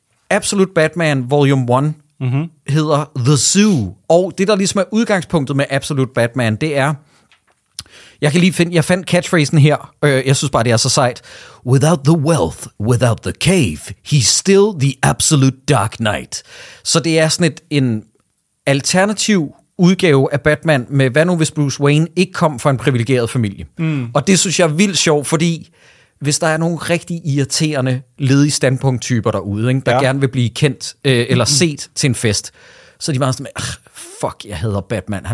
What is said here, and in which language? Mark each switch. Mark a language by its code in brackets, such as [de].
[da] Absolute Batman Volume 1 hedder The Zoo, og det der ligesom er udgangspunktet med Absolute Batman, det er... Jeg fandt catchphrasen her. Jeg synes bare, det er så sejt. [en] Without the wealth, without the cave, he's still the absolute dark knight. [da] Så det er sådan en alternativ udgave af Batman med, hvad nu hvis Bruce Wayne ikke kom fra en privilegeret familie. Mm. Og det synes jeg er vildt sjovt, fordi hvis der er nogle rigtig irriterende ledige standpunkttyper derude, ikke, der gerne vil blive kendt eller set til en fest, så er de bare sådan, fuck, jeg hader Batman.